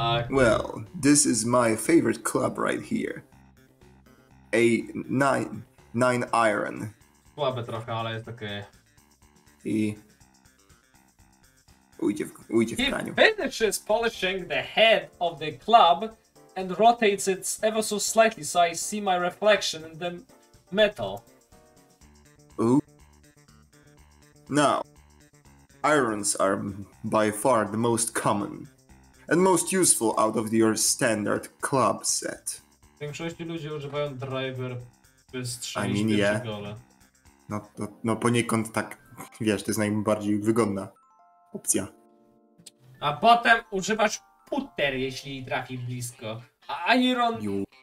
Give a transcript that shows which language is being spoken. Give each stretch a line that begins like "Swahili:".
English: Well, this is my favorite club right here. A nine iron.
Polish: Słabe trochę, ale jest okej. Ujdzie w graniu.
English: He finishes polishing the head of the club and rotates it ever so slightly so I see my reflection in the metal. Ooh. Now, irons are by far the most common and most useful out of your standard club set.
Polish: Większość ludzi używają driver, by strzelić pierwsze gole. No, poniekąd tak, wiesz, to jest najbardziej wygodna opcja. A potem używasz putter, jeśli trafi blisko. A iron... You.